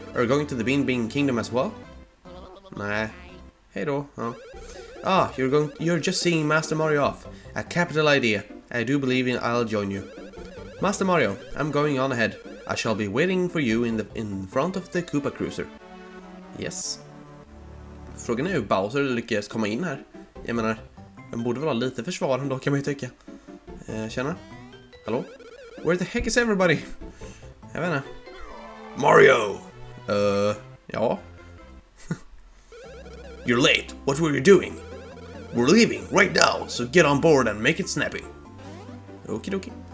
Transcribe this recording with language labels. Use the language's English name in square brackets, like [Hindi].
[English] Are you going to the Bean Bean Kingdom as well? Nah. Hey då. Huh? Ah, you're just seeing Master Mario off. A capital idea. I do believe I'll join you. Master Mario, I'm going on ahead. I shall be waiting for you in front of the Koopa Cruiser. Yes. [Swedish] Frågan är hur Bowser lyckas komma in här. Jag menar, han borde väl ha lite försvar ändå, kan man ju tycka. Tjena. Hallå? [English] Where the heck is everybody? [Swedish] Jag vet inte. [English] Mario! [Swedish] Ja. [English] You're late. What were you doing? We're leaving right now, so get on board and make it snappy. Okidoki.